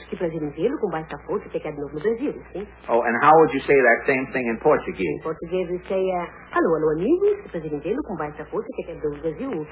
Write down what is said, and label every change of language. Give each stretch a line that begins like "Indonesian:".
Portuguese: Que prazer em vê-lo, como vai estar por aqui, que é novo no Brasil, sim?
English: Oh, and how would you say that same thing in Portuguese? In Portuguese, we say, hello, hello, amigos.
Portuguese: Que prazer em vê-lo, como vai estar por aqui, que é novo no Brasil.